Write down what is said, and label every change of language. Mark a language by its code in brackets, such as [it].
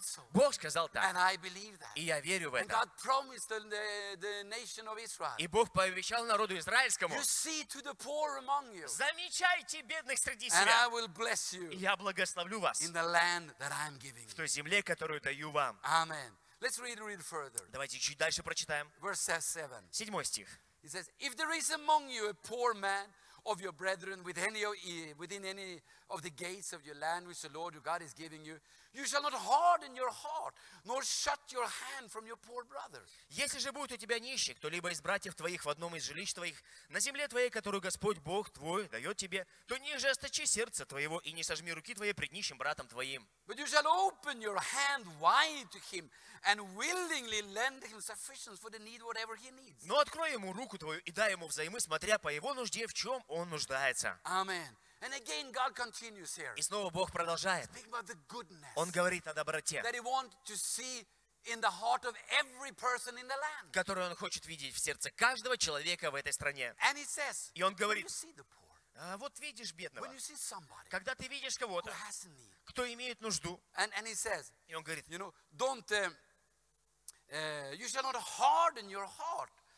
[ru] Бог сказал так, и я верю в это. И Бог пообещал народу израильскому: замечайте бедных среди себя, и я благословлю вас в той земле, которую даю вам. [en] Аминь. Let's read further. [ru] Давайте чуть дальше прочитаем. [en] Verse 7. [ru] Седьмой стих. [en] He says, if there is among you a poor man of your brethren within any of the gates of your land which the Lord your God is giving you, you shall not harden your heart nor shut your hand from your poor brother. [ru] Если же будет у тебя нищий кто-либо из братьев твоих в одном из жилищ твоих на земле твоей, которую Господь Бог твой дает тебе, то не жесточи сердце твоего и не сожми руки твоей пред нищим братом твоим. [en] But you shall open your hand wide to him and willingly lend him sufficient for the need whatever he needs. [ru] Но открой ему руку твою и дай ему взаймы, смотря по его нужде, в чем он нуждается. [en] Amen. And again God continues here. [ru] И снова Бог продолжает. [en] Speaking about the goodness. [ru] Он говорит о доброте. [en] That he wants to see in the heart of every person in the land. [ru] Которую он хочет видеть в сердце каждого человека в этой стране. [en] And he says. [ru] И он говорит. [en] When you see the poor. [ru] Вот видишь бедного. [en] When you see somebody. [ru] Когда ты видишь кого-то. [en] Who has a need. [ru] Кто имеет нужду. [en] And he says. [ru] И он говорит. [en] You know, don't. You shall not harden your heart.